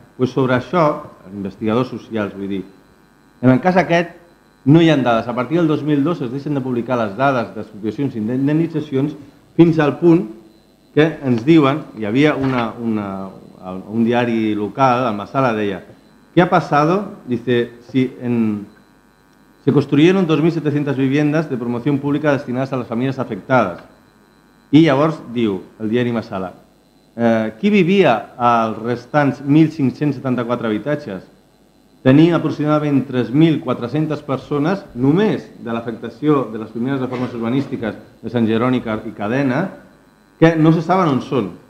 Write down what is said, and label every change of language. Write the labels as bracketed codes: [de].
[ca] Pues sobre això, investigadors socials, vull dir, en el cas aquest no hi ha dades. A partir del 2002 es deixen de publicar les dades d'expropiacions i indemnitzacions fins al punt que ens diuen, hi havia un diari local, el Massala, deia, [es] ¿qué ha pasado? Dice, se construyeron 2.700 viviendas de promoción pública destinadas a las familias afectadas. [ca] I llavors diu el diari Massala, qui vivia als restants 1.574 habitatges? Tenia aproximadament 3.400 persones només de l'afectació de les primeres reformes urbanístiques de Sant Jeroni i Cadena, que no se saben on són.